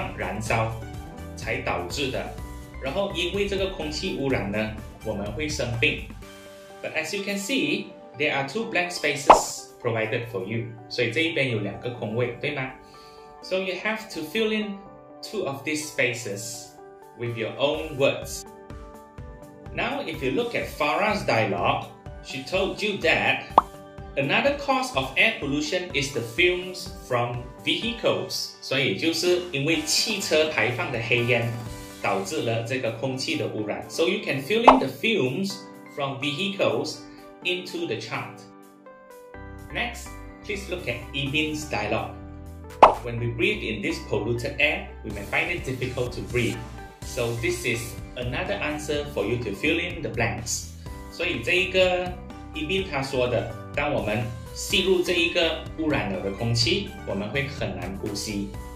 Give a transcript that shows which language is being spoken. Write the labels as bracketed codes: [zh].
[zh] 所以这个空气的污染它是由于我们开放燃烧才导致的。然后因为这个空气污染呢，我们会生病。 [en] But as you can see, there are two blank spaces provided for you. [zh] 所以这一边有两个空位，对吗？ [en] So you have to fill in two of these spaces with your own words. Now, if you look at Farah's dialogue, she told you that another cause of air pollution is the fumes from vehicles. [zh] 所以就是因为汽车排放的黑烟。导致了这个空气的污染. [en] So you can fill in the fumes from vehicles into the chart. Next, please look at Ibin's dialogue. When we breathe in this polluted air, we may find it difficult to breathe. So this is another answer for you to fill in the blanks. [zh] 所以这一个 Ibin 他说的, 当我们吸入这一个污染了的空气，我们会很难呼吸。